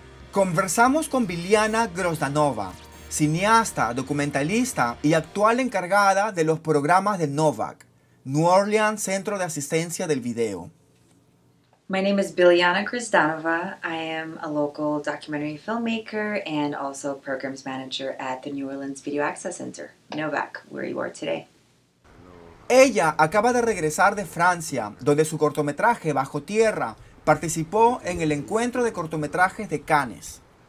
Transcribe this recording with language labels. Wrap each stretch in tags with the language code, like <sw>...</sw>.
<es>Conversamos con Biliana Grozdanova, cineasta, documentalista y actual encargada de los programas de NOVAC, New Orleans Centro de Asistencia del Video.</es> <en>My name is Biliana Grozdanova. I am a local documentary filmmaker and also programs manager at the New Orleans Video Access Center, NOVAC, where you are today.</en> <es>Ella acaba de regresar de Francia, donde su cortometraje Bajo Tierra participó en el Encuentro de Cortometrajes de Cannes.</es>